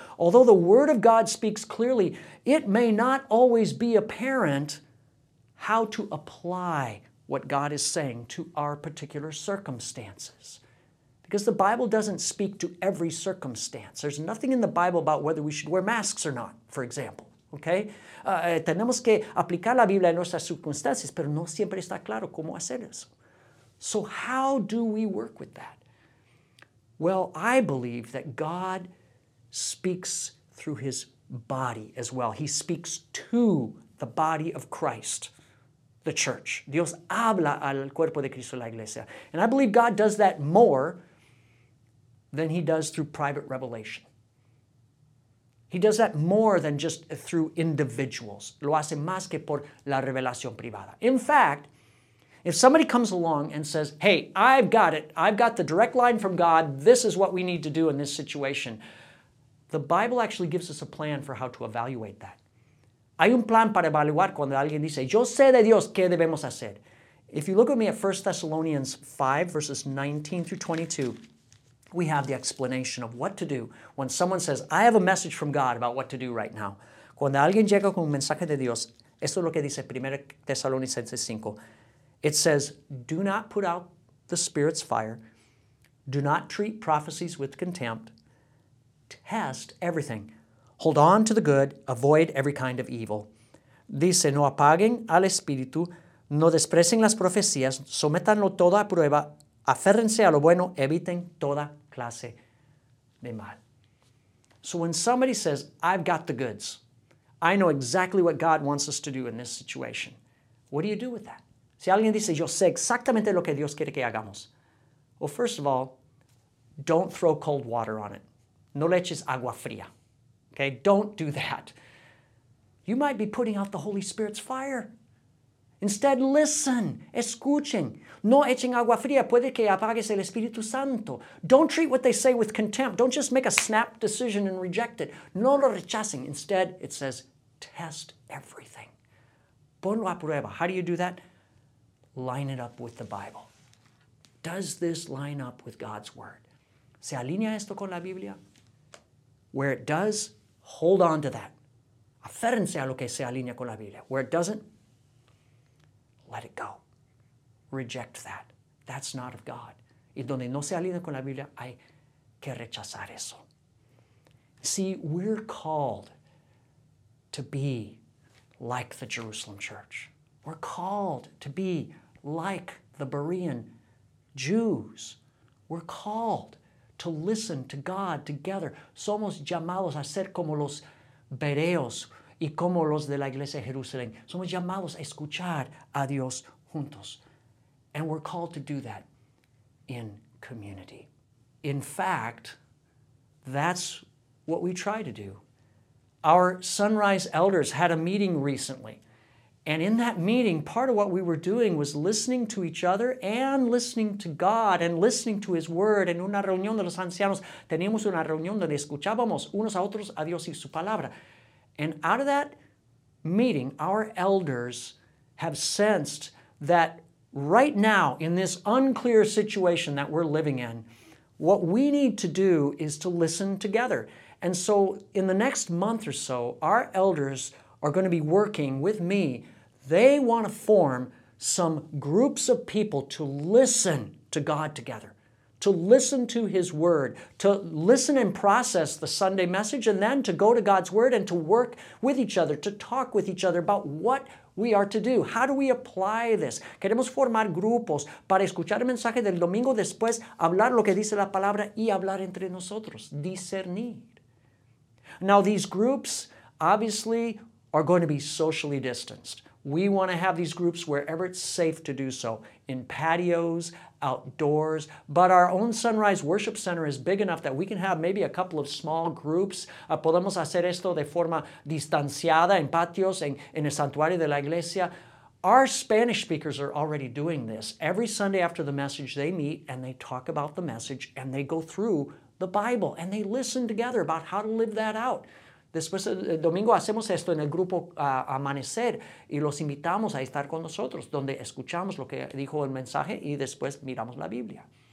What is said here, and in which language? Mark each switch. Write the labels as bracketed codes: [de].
[en] Although the Word of God speaks clearly, it may not always be apparent how to apply what God is saying to our particular circumstances. Because the Bible doesn't speak to every circumstance. There's nothing in the Bible about whether we should wear masks or not, for example. Okay? [es] Tenemos que aplicar la Biblia a nuestras circunstancias, pero no siempre está claro cómo hacer eso. [en] So how do we work with that? Well, I believe that God speaks through His body as well. He speaks to the body of Christ, the church. [es] Dios habla al cuerpo de Cristo, la iglesia. [en] And I believe God does that more than He does through private revelation. He does that more than just through individuals. [es] Lo hace más que por la revelación privada. [en] In fact, if somebody comes along and says, hey, I've got it. I've got the direct line from God. This is what we need to do in this situation. The Bible actually gives us a plan for how to evaluate that. [es] Hay un plan para evaluar cuando alguien dice, yo sé de Dios, ¿qué debemos hacer? [en] If you look at me at 1 Thessalonians 5, verses 19 through 22, we have the explanation of what to do when someone says, I have a message from God about what to do right now. [es] Cuando alguien llega con un mensaje de Dios, esto es lo que dice 1 Thessalonians 5. [en] It says, do not put out the Spirit's fire. Do not treat prophecies with contempt. Test everything. Hold on to the good. Avoid every kind of evil. [es] Dice, no apaguen al Espíritu. No desprecien las profecías. Sométanlo todo a prueba. Aférrense a lo bueno. Eviten toda clase de mal. [en] So when somebody says, I've got the goods. I know exactly what God wants us to do in this situation. What do you do with that? [es] Si alguien dice, yo sé exactamente lo que Dios quiere que hagamos. [en] Well, first of all, don't throw cold water on it. [es] No le eches agua fría. [en] Okay, don't do that. You might be putting out the Holy Spirit's fire. Instead, listen, [es] escuchen. No echen agua fría, puede que apagues el Espíritu Santo. [en] Don't treat what they say with contempt. Don't just make a snap decision and reject it. [es] No lo rechacen. [en] Instead, it says, test everything. [es] Ponlo a prueba. [en] How do you do that? Line it up with the Bible. Does this line up with God's Word? [es] ¿Se alinea esto con la Biblia? [en] Where it does, hold on to that. [es] Aférrense a lo que se alinea con la Biblia. [en] Where it doesn't, let it go. Reject that. That's not of God. [es] Y donde no se alinea con la Biblia, hay que rechazar eso. [en] See, we're called to be like the Jerusalem church. We're called to be like the Berean Jews. We're called to listen to God together. [es] Somos llamados a ser como los Bereos y como los de la Iglesia de Jerusalén. Somos llamados a escuchar a Dios juntos. [en] And we're called to do that in community. In fact, that's what we try to do. Our Sunrise elders had a meeting recently. And in that meeting, part of what we were doing was listening to each other and listening to God and listening to His Word. [es] En una reunión de los ancianos, teníamos una reunión donde escuchábamos unos a otros a Dios y su palabra. [en] And out of that meeting, our elders have sensed that right now, in this unclear situation that we're living in, what we need to do is to listen together. And so in the next month or so, our elders are going to be working with me. They want to form some groups of people to listen to God together, to listen to His Word, to listen and process the Sunday message, and then to go to God's Word and to work with each other, to talk with each other about what we are to do. How do we apply this? [es] Queremos formar grupos para escuchar el mensaje del domingo, después hablar lo que dice la palabra y hablar entre nosotros, discernir. [en] Now, these groups, obviously, are going to be socially distanced. We want to have these groups wherever it's safe to do so, in patios, outdoors, but our own Sunrise Worship Center is big enough that we can have maybe a couple of small groups. [es] Podemos hacer esto de forma distanciada en patios, en el santuario de la iglesia. [en] Our Spanish speakers are already doing this. Every Sunday after the message, they meet and they talk about the message and they go through the Bible, and they listen together about how to live that out. [es] Después, el domingo hacemos esto en el grupo Amanecer y los invitamos a estar con nosotros, donde escuchamos lo que dijo el mensaje y después miramos la Biblia.